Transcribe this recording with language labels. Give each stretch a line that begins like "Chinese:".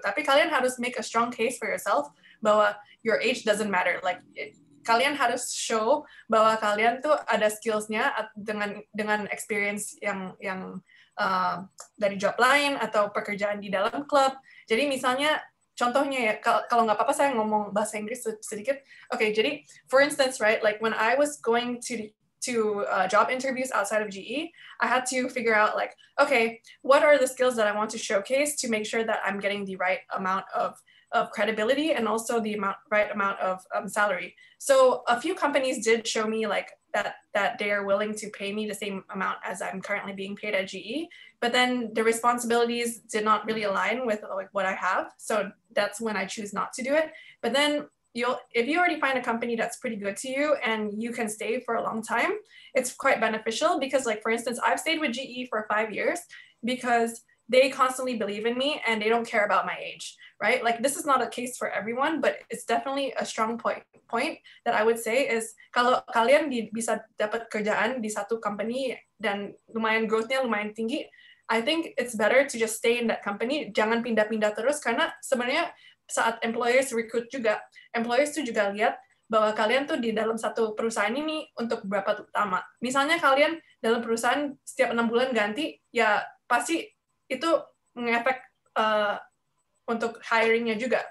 Indonesian: Tapi kalian harus
English: make a strong case for yourself bahwa your age doesn't matter.
Indonesian: Like kalian harus show bahwa kalian tuh ada skills-nya dengan experience yang dari job lain atau pekerjaan di dalam klub. Jadi misalnya contohnya ya, kalau nggak apa-apa saya ngomong bahasa Inggris sedikit.
English: Okay, jadi for instance, right, like when I was going to job interviews outside of GE, I had to figure out like, okay, what are the skills that I want to showcase to make sure that I'm getting the right amount of credibility and also the right amount of salary. So a few companies did show me like that they are willing to pay me the same amount as I'm currently being paid at GE, but then the responsibilities did not really align with like what I have. So that's when I choose not to do it. But then if you already find a company that's pretty good to you and you can stay for a long time, it's quite beneficial because like, for instance, I've stayed with GE for 5 years because they constantly believe in me and they don't care about my age, right? Like this is not a case for everyone, but it's definitely a strong point that I would say is
Indonesian: kalau kalian bisa dapat kerjaan di satu company dan lumayan growth-nya lumayan tinggi,
English: I think it's better to just stay in that company.
Indonesian: Jangan pindah-pindah terus karena sebenarnya saat employers recruit juga, employers tuh juga lihat bahwa kalian tuh di dalam satu perusahaan ini untuk berapa lama. Misalnya kalian dalam perusahaan setiap 6 bulan ganti, ya pasti itu ngefek untuk hiring-nya juga.